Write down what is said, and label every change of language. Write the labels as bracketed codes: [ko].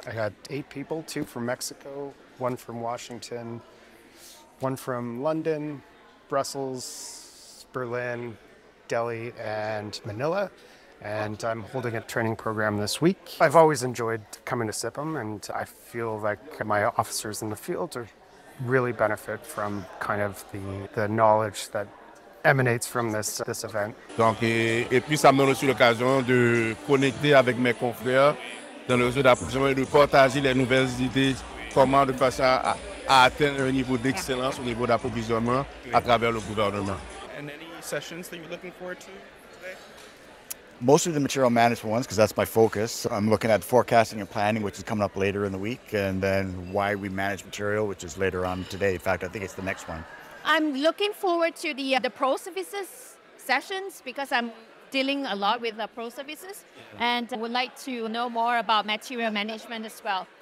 [en] I had 8 people, 2 from Mexico, 1 from Washington, 1 from London, Brussels, Berlin, Delhi, and Manila, and I'm holding a training program this week. I've always enjoyed coming to CIPMM, and I feel like my officers in the field are really benefit from kind of the knowledge that emanates from this event. [fr] Donc et puis ça me donne aussi l'occasion de connecter avec mes confrères dans le réseau d'approvisionnement et de partager les nouvelles idées comment de façon à atteindre un niveau d'excellence au niveau d'approvisionnement à travers le gouvernement. [en] And any sessions that you're looking forward to today? Mostly the material management ones, because that's my focus. I'm looking at forecasting and planning, which is coming up later in the week, and then why we manage material, which is later on today. In fact, I think it's the next one. I'm looking forward to the pro services sessions, because I'm dealing a lot with the pro services, and would like to know more about material management as well.